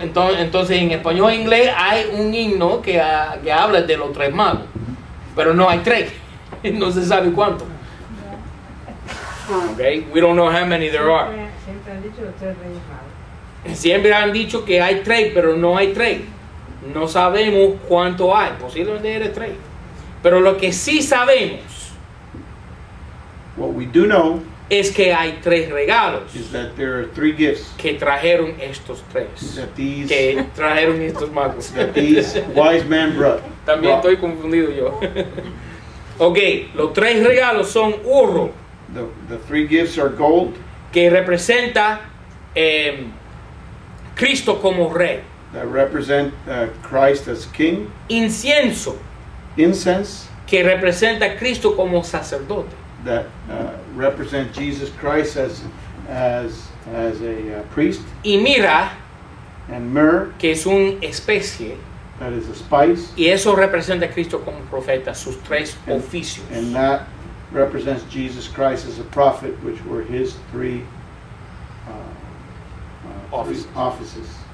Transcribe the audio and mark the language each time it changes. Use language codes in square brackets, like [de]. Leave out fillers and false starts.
[es] Entonces, en español e inglés hay un himno que habla de los tres magos, pero no hay tres. No se sabe cuánto. [en] Okay, we don't know how many there are. [es] Siempre han dicho tres reyes magos. Siempre han dicho que hay tres, pero no hay tres. No sabemos cuánto hay. Posiblemente eres tres. Pero lo que sí sabemos. [en] What we do know. [es] Es que hay tres regalos. [en] Is that there are three gifts. [es] Que trajeron estos tres. [en] That these, [es] que trajeron estos magos. [en] That these wise men brought. [es] También estoy confundido yo. Okay, los tres regalos son oro. [en] The three gifts are gold. [es] Que representa Cristo como rey. [en] That represent Christ as king. [es] Incienso. [en] Incense. [es] Que representa Cristo como sacerdote. [en] That represent Jesus Christ as a priest. [es] Y mira, [en] and myrrh, [es] que es un especie, [en] that is a spice. [es] Y eso representa a Cristo como profeta, sus tres oficios. [en] And that represents Jesus Christ as a prophet, which were his three offices.